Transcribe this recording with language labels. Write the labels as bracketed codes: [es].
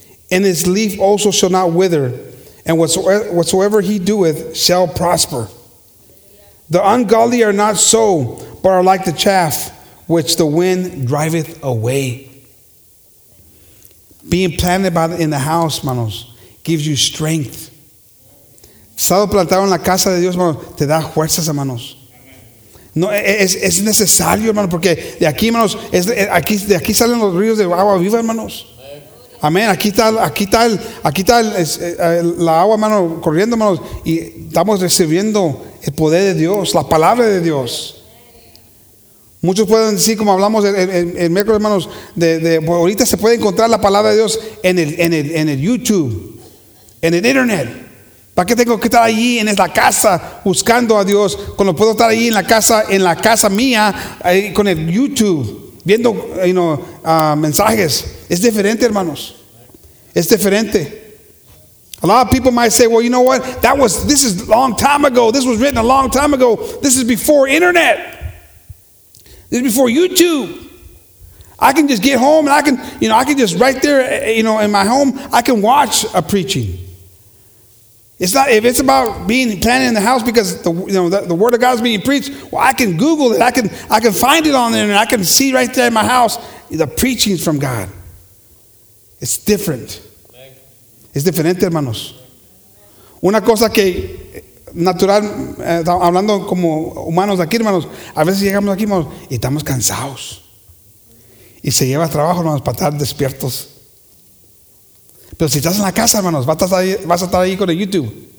[en] And his leaf also shall not wither, and whatsoever he doeth shall prosper. The ungodly are not so, but are like the chaff which the wind driveth away. Being planted in the house, manos, gives you strength. [es] Estado plantado en la casa de Dios, manos, te da fuerzas, manos. No, es necesario, hermano, porque de aquí, hermanos, de aquí salen los ríos de agua viva, hermanos. Amén. Aquí está la agua, hermano, corriendo, hermanos, y estamos recibiendo el poder de Dios, la palabra de Dios. Muchos pueden decir, como hablamos el miércoles, hermanos, de ahorita se puede encontrar la palabra de Dios en el YouTube, en el internet. ¿Para qué tengo que estar allí en esta casa buscando a Dios cuando puedo estar allí en la casa mía con el YouTube viendo mensajes? Es diferente, hermanos. Es diferente. [en] A lot of people might say, well, you know what? This is a long time ago. This was written a long time ago. This is before internet. This is before YouTube. I can just get home and I can just right there, in my home, I can watch a preaching. It's not, if it's about being planted in the house because the word of God is being preached, well, I can Google it. I can find it on there and I can see right there in my house the preachings from God. It's different. [es] Es diferente, hermanos. Una cosa que natural, hablando como humanos aquí, hermanos, a veces llegamos aquí, hermanos, y estamos cansados. Y se lleva trabajo, hermanos, para estar despiertos. Pero si estás en la casa, hermanos, vas a estar ahí con el YouTube.